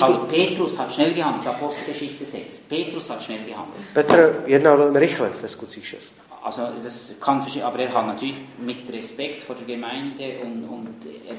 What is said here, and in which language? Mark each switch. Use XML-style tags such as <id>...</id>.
<de>Petrus hat schnell gehandelt. Apostelgeschichte 6. Petrus hat schnell gehandelt.</de> <cs>Petr jednal velmi rychle ve Skutcích 6.</cs> <de>Also das kann verstehen, aber er hat natürlich mit Respekt vor der Gemeinde und er</de>